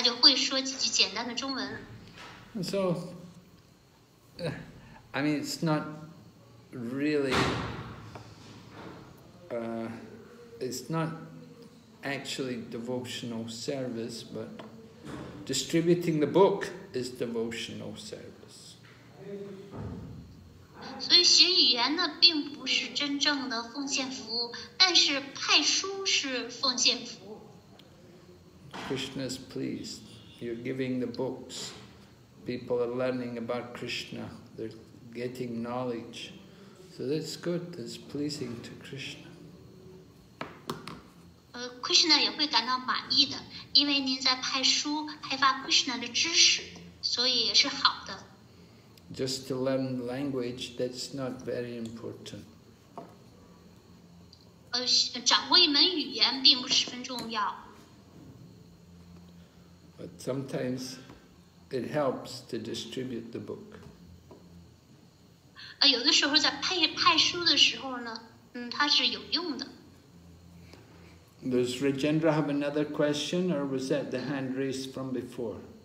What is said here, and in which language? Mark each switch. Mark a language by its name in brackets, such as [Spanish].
[Chinese] 有一位乌克兰的奉献者，他以前在台湾派书的时候呢，他就会说几句简单的中文。 [English] So, I mean, it's not really, it's not actually devotional service, but distributing the book is devotional service. [Chinese] 所以学语言呢，并不是真正的奉献服务，但是派书是奉献服务。Krishna [English] is pleased. You're giving the books. People are learning about Krishna. They're getting knowledge. So that's good. That's pleasing to Krishna. [Chinese] Krishna 也会感到满意的，因为您在派书，派发 Krishna 的知识，所以也是好的。 [English] Just to learn language, that's not very important. [Chinese] 掌握一门语言并不十分重要。 [English] But sometimes it helps to distribute the book. [Chinese] 有的时候在派书的时候呢，它是有用的。 [English] Does Rajendra have another question, or was that the hand raised from before?